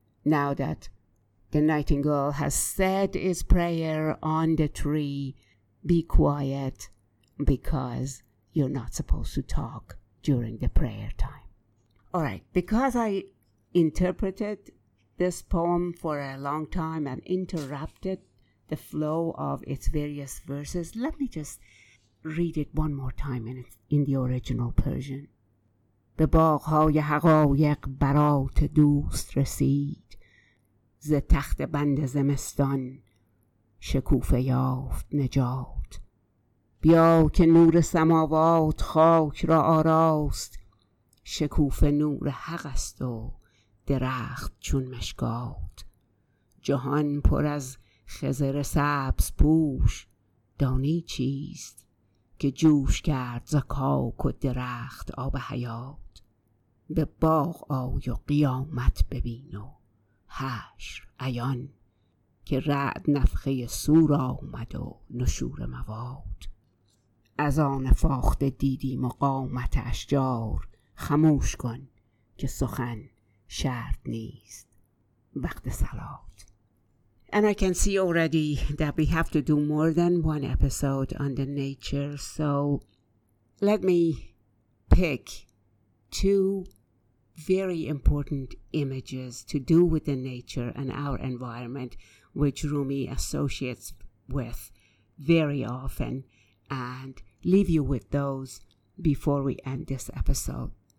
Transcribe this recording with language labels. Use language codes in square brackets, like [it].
[en] Now that the nightingale has said his prayer on the tree, be quiet, because you're not supposed to talk during the prayer time. All right, because I interpreted this poem for a long time and interrupted the flow of its various verses, let me just read it one more time in the original Persian. [fa] به باغهای حقایق برات دوست رسید ز تخت بند زمستان شکوفه یافت نجات بیا که نور سماوات خاک را آراست شکوفه نور حق است و درخت چون مشکات جهان پر از خضر سبز پوش دانی چیست که جوش کرد زکاک و درخت آب حیات به باغ آی و قیامت ببین و حشر عیان که رعد نفخه سور آمد و نشور مواد از آن فاخته دیدی مقامت اشجار خموش کن که سخن شرط نیست وقت صلات. [en] And I can see already that we have to do more than one episode on the nature, so let me pick two very important images to do with the nature and our environment, which Rumi associates with very often, and leave you with those before we end this episode.